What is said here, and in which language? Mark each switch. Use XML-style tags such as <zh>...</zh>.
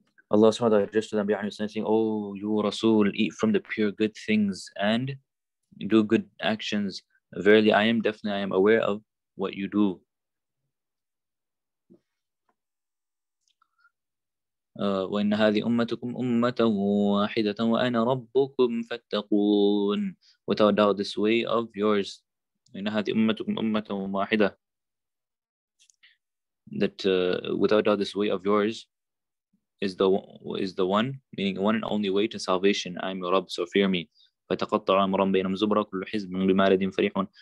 <en>Allah subhanahu wa ta'ala addressed them behind saying, oh you Rasul, eat from the pure good things and do good actions. Verily I am aware of what you do.</en> <ar>وإن هذه أمتكم أمة واحدة وأنا ربكم فاتقون.</ar> <en>Without doubt this way of yours,</en> <ar>إن هذه أمتكم أمة واحدة,</ar> <en>that without doubt this way of yours is the one, meaning one and only way to salvation. I'm your Rabb, so fear me.</en> <ar>فَتَقَطَّعَ أَمْرًا بَيْنَهُمْ زُبْرًا كُلُّ حِزْبٍ بِمَا لَدَيْهِمْ فَرِيحٌ.</ar>